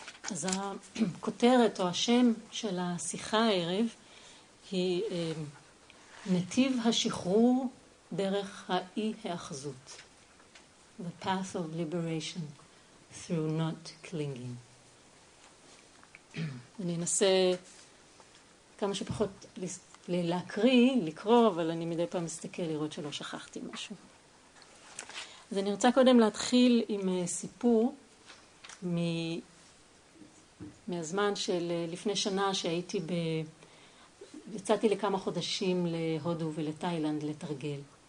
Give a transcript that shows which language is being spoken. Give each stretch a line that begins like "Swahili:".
Hebrew: אז הכותרת או השם של השיחה הערב היא נתיב השחרור דרך האי האחזות.
English: The path of liberation through not clinging.
Hebrew: אני אנסה כמה שפחות להקריא, לקרוא, אבל אני מדי פעם מסתכל לראות שלא שכחתי משהו. אז אני רוצה קודם להתחיל עם סיפור מהזמן של לפני שנה שהייתי יצאתי לכמה חודשים להודו ולתאילנד לתרגל.